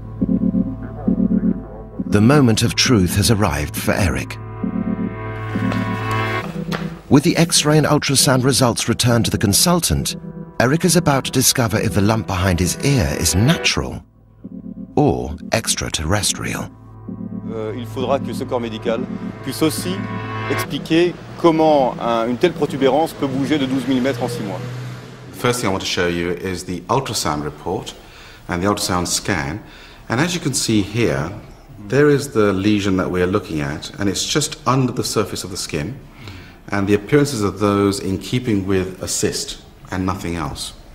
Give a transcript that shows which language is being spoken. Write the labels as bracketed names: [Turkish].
[English] The moment of truth has arrived for Eric. With the X-ray and ultrasound results returned to the consultant, Eric is about to discover if the lump behind his ear is natural or extraterrestrial. [French] Il faudra que ce corps médical puisse aussi expliquer comment une telle protubérance peut bouger de 12 mm en 6 mois. [English] The first thing I want to show you is the ultrasound report and the ultrasound scan. And as you can see here, there is the lesion that we are looking at, and it's just under the surface of the skin. And the appearances of those in keeping with a cyst and nothing else.